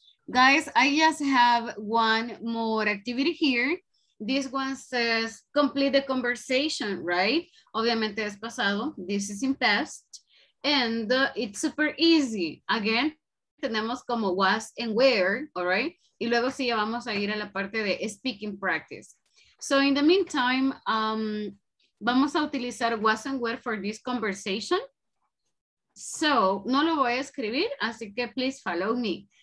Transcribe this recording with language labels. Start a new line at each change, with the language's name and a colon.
English: Guys, I just have one more activity here. This one says complete the conversation, right?
Spanish: Obviamente es pasado.
English: This is in past. And it's super easy. Again,
Spanish: tenemos como
English: was and where, all right?
Spanish: Y luego sí ya vamos a ir a la parte de speaking practice.
English: So in the meantime,
Spanish: vamos a utilizar
English: was and where for this conversation.
Spanish: So no lo voy a escribir, así que
English: please follow me.